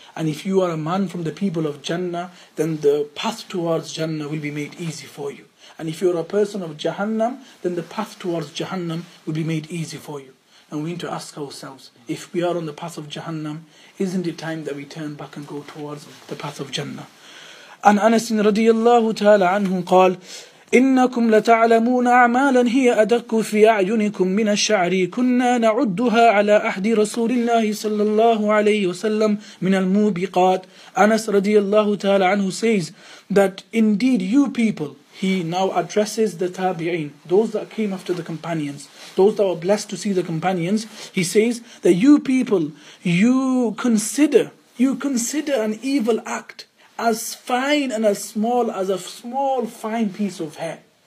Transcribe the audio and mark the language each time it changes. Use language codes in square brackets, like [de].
[en] And if you are a man from the people of Jannah, then the path towards Jannah will be made easy for you. And if you are a person of Jahannam, then the path towards Jahannam will be made easy for you. And we need to ask ourselves, if we are on the path of Jahannam, isn't it time that we turn back and go towards the path of Jannah? And Anas radiallahu ta'ala anhu qal, [ar] إنكم لتعلمون أعمالا هي أدق في أعينكم من الشعر كنا نعدها على أحد رسول الله صلى الله عليه وسلم من الموبقات. [en] Anas radiallahu ta'ala anhu says that indeed you people, he now addresses the tabi'een, those that came after the companions, those that were blessed to see the companions. He says that you people, you consider an evil act as fine and as small as a small fine piece of hair.